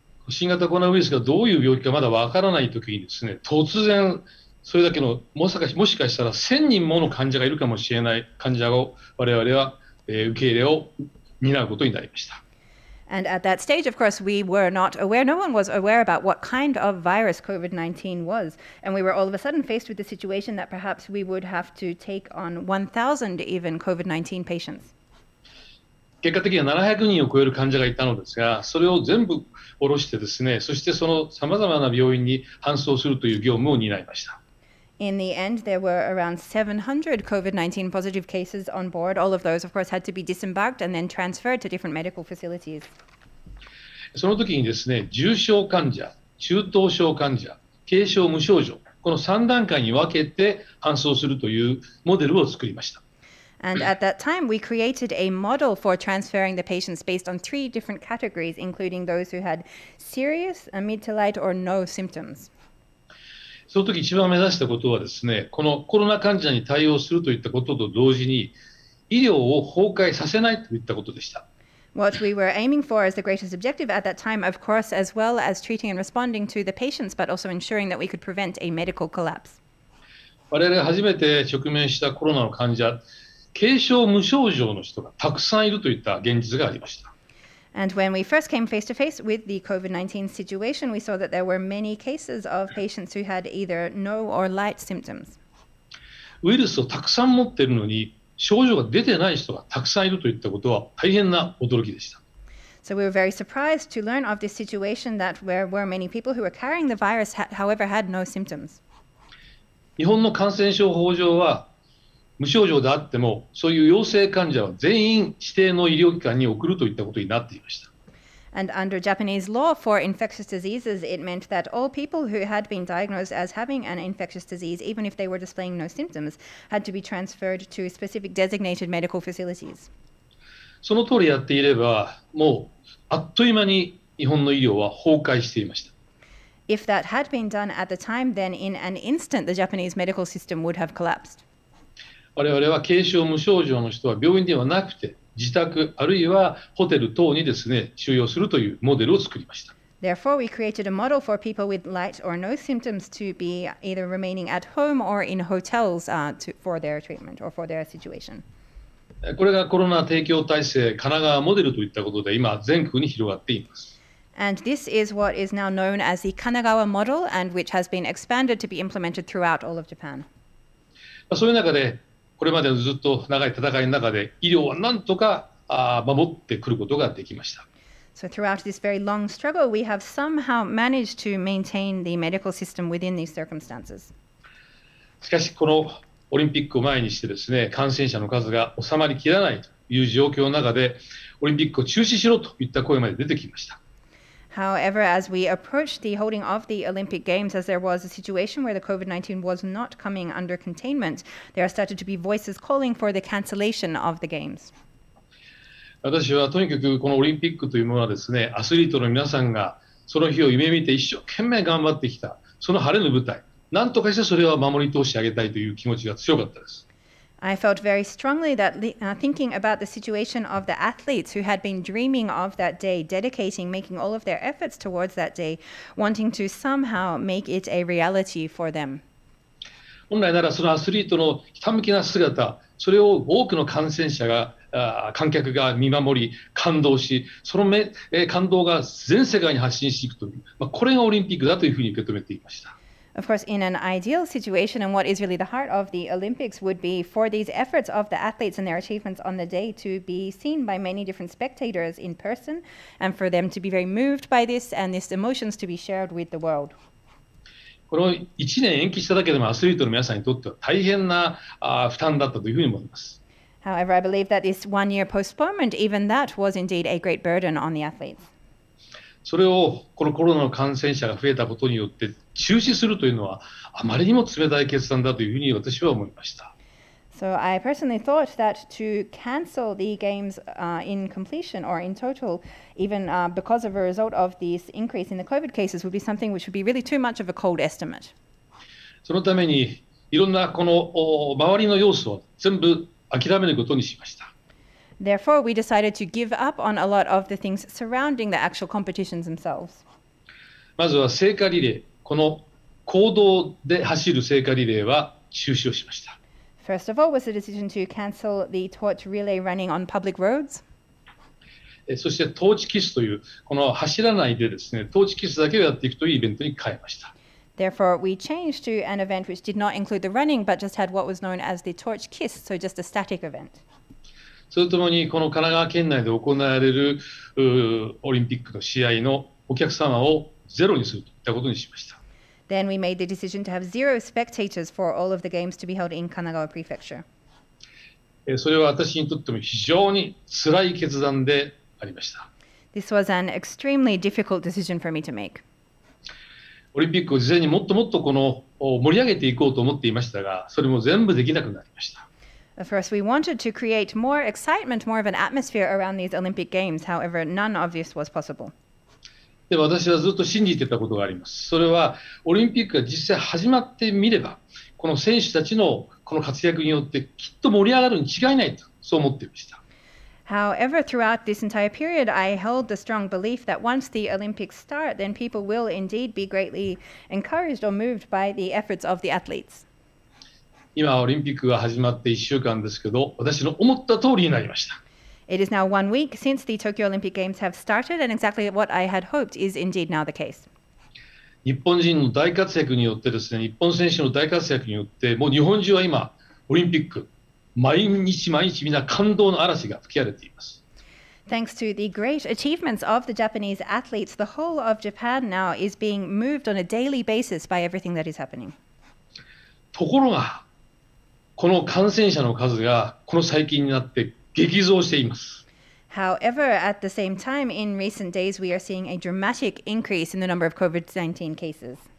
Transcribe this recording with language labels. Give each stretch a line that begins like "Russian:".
Japanese: 新型コロナウイルスがどういう病気かまだわからないときにですね、突然それだけのもしかしたら1000人もの患者がいるかもしれない患者を我々は、受け入れを担うことになりました。
English: And at that stage, of course, we were not aware. No one was aware about what kind of virus COVID-19 was. And we were all of a sudden faced with the situation that perhaps we would have to take on 1,000 even COVID-19 patients.
Japanese: 結果的には700人を超える患者がいたのですが、それを全部下ろしてですね、そしてその様々な病院に搬送するという業務を担いました。
English: In the end, there were around 700 COVID-19 positive cases on board. All of those, of course, had to be disembarked and then transferred to different medical facilities.
Japanese: その時にですね、重症患者、中等症患者、軽症無症状、この3段階に分けて搬送するというモデルを作りました。
English: And at that time, we created a model for transferring the patients based on three different categories, including those who had serious, mid to light, or no symptoms.
Japanese: その時一番目指したことはですね、このコロナ患者に対応するといったことと同時に、医療を崩壊させないといったことでした。
English: What we were aiming for as the greatest objective at that time, of course, as well as treating and responding to the patients, but also ensuring that we could prevent a medical collapse.
Japanese: 我々が初めて直面したコロナの患者、軽症無症状の人がたくさんいるといった現実がありました。
English: And when we first came face to face with the COVID-19 situation, we saw that there were many cases of patients who had either no or light symptoms.
Japanese: ウイルスをたくさん持っているのに症状が出てない人がたくさんいるといったことは大変な驚きでした。
English: So we were very surprised to learn of this situation that there were many people who were carrying the virus, however, had no symptoms.
Japanese: 日本の感染症法上は無症状であってもそういう陽性患者は全員指定の医療機関に送るといったことになっていました。
English: And under Japanese law for infectious diseases, it meant that all people who had been diagnosed as having an infectious disease, even if they were displaying no symptoms, had to be transferred to specific designated medical facilities.
Japanese: その通りやっていれば、もうあっという間に日本の医療は崩壊していました。
English: If that had been done at the time, then in an instant, the Japanese medical system would have collapsed.
Japanese: 我々は軽症無症状の人は病院ではなくて自宅あるいはホテル等にですね収容するというモデルを作りました。
English: Therefore, we created a model for people with light or no symptoms to be either remaining at home or in hotels for their treatment or for their situation.
Japanese: これがコロナ提供体制神奈川モデルといったことで今全国に広がっています。
English: And this is what is now known as the Kanagawa model and which has been expanded to be implemented throughout all of Japan.
Japanese: そういう中でこれまでのずっと長い戦いの中で医療はなんとか守ってくることができました。
English: So throughout this very long struggle, we have somehow managed to maintain the medical system within these circumstances.
Japanese: しかしこのオリンピックを前にしてですね、感染者の数が収まりきらないという状況の中で、オリンピックを中止しろといった声まで出てきました。
English: However, as we approached the holding of the Olympic Games, as there was a situation where the COVID-19 was not coming under containment, there started to be voices calling for the cancellation of the Games.
Japanese: 私はとにかくこのオリンピックというものはですね、アスリートの皆さんがその日を夢見て一生懸命頑張ってきた、その晴れの舞台、なんとかしてそれを守り通してあげたいという気持ちが強かったです。
English: I felt very strongly that thinking about the situation of the athletes who had been dreaming of that day, dedicating, making all of their efforts towards that day, wanting to somehow make it a reality for them.
Japanese: 本来ならそのアスリートのひたむきな姿、それを多くの感染者が、観客が見守り、感動し、その感動が全世界に発信していくという、まあ、これがオリンピックだというふうに受け止めていました。
English: Of course, in an ideal situation, and what is really the heart of the Olympics would be for these efforts of the athletes and their achievements on the day to be seen by many different spectators in person, and for them to be very moved by this, and these emotions to be shared with the world.
Japanese: この1年延期しただけでもアスリートの皆さんにとっては大変な負担だったというふうに思います。
English: However, I believe that this one-year postponement, even that, was indeed a great burden on the athletes.
Japanese: それをこのコロナの感染者が増えたことによって中止するというのはあまりにも冷たい決断だというふうに私は思いました。
English: So I personally thought that to cancel the games in completion or in total, even because of a result of this increase in the COVID cases, would be something which would be really too much of a cold estimate.
Japanese: そのためにいろんなこの周りの要素を全部諦めることにしました。
English: Therefore, we decided to give up on a lot of the things surrounding the actual competitions themselves.
Japanese: まずは聖火リレー、この公道で走る聖火リレーは中止をしました。
English: First of all, was the decision to cancel the torch relay running on public roads.
Japanese: そしてトーチキスというこの走らないでですね、トーチキスだけをやっていくというイベントに変えました。
English: Therefore, we changed to an event which did not include the running, but just had what was known as the torch kiss, so just a static event.
Japanese: それともにこの神奈川県内で行われるオリンピックの試合のお客様をゼロにするといったことにしました。
English: Then we made the decision to have zero spectators for all of the games to be held in Kanagawa Prefecture.
Japanese: それは私にとっても非常に辛い決断でありました。
English: This was an extremely difficult decision for me to make.
Japanese: オリンピックを事前にもっともっとこの盛り上げていこうと思っていましたが、それも全部できなくなりました。
English: Of course, we wanted to create more excitement, more of an atmosphere around these Olympic Games. However, none of this was possible.
Japanese: で、私はずっと信じてたことがあります。それはオリンピックが実際始まってみれば、この選手たちのこの活躍によってきっと盛り上がるに違いないと、そう思っていました。
English: However, throughout this entire period, I held the strong belief that once the Olympics start, then people will indeed be greatly encouraged or moved by the efforts of the athletes.
Japanese: 今オリンピックが始まって1週間ですけど、私の思った通りになりました。
English: It is now 1 week since the Tokyo Olympic Games have started, and exactly what I had hoped is indeed now the case.
Japanese: 日本人の大活躍によってですね、日本選手の大活躍によって、もう日本中は今オリンピック毎日毎日みんな感動の嵐が吹き荒れています。
English: Thanks to the great achievements of the Japanese athletes, the whole of Japan now is being moved on a daily basis by everything that is happening.
Japanese: ところが、この感染者の数がこの最近になって激増しています。
English: However, at the same time, in recent days, we are seeing a dramatic increase in the number of COVID-19 cases.